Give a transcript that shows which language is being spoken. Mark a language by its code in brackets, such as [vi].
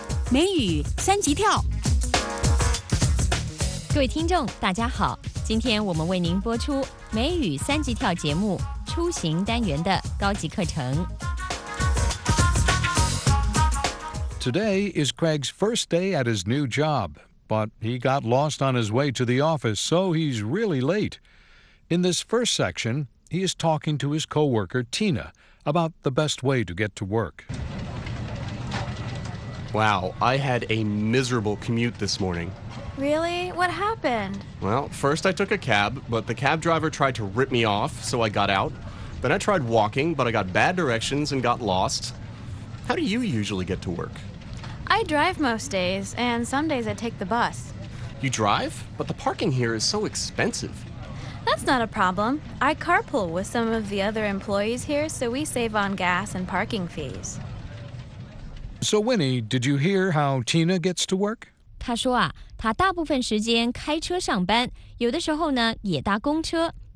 [zh] 美语三级跳，各位听众大家好，今天我们为您播出美语三级跳节目出行单元的高级课程。 [en] Today is Craig's first day at his new job, but he got lost on his way to the office, so he's really late. In this first section, he is talking to his co-worker Tina about the best way to get to work. Wow, I had a miserable commute this morning. Really? What happened? Well, first I took a cab, but the cab driver tried to rip me off, so I got out. Then I tried walking, but I got bad directions and got lost. How do you usually get to work? I drive most days, and some days I take the bus. You drive? But the parking here is so expensive. That's not a problem. I carpool with some of the other employees here, so we save on gas and parking fees. So Winnie, did you hear how Tina gets to work? [zh] 她说啊，她大部分时间开车上班，有的时候呢也搭公车。